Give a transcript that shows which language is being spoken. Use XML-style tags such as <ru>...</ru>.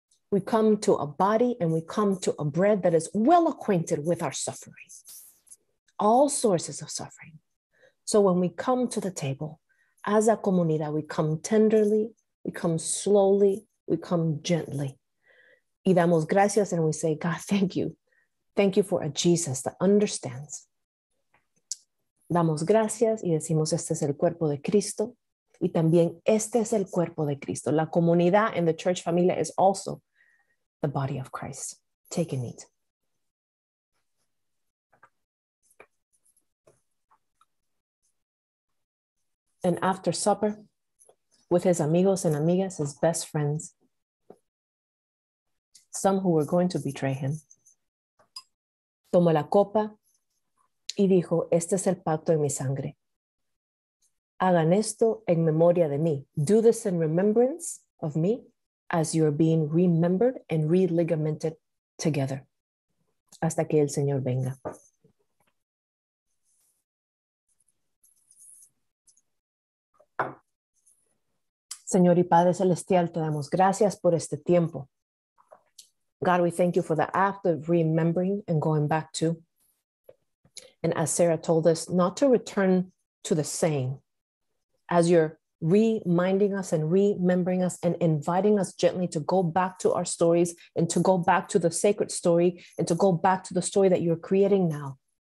<en>We come to a body and we come to a bread that is well acquainted with our suffering, all sources of suffering. So when we come to the table as a comunidad, we come tenderly, we come slowly, we come gently.</en> <es>Y damos gracias,</es> <en>and we say, God, thank you. Thank you for a Jesus that understands.</en> <es>Damos gracias y decimos, este es el cuerpo de Cristo. Y también, este es el cuerpo de Cristo.</es> <en>La comunidad and the church familia is also the body of Christ. Take and eat. And after supper, with his amigos and amigas, his best friends, some who were going to betray him,</en> <es>tomó la copa. Y dijo, este es el pacto en mi sangre. Hagan esto en memoria de mí.</es> <en>Do this in remembrance of me as you're being remembered and re-ligamented together.</en> <es>Hasta que el Señor venga. Señor y Padre Celestial, te damos gracias por este tiempo.</es> <en>God, we thank you for the act of remembering and going back to. And as Sarah told us, not to return to the same, as you're reminding us and remembering us and inviting us gently to go back to our stories and to go back to the sacred story and to go back to the story that you're creating now.</en>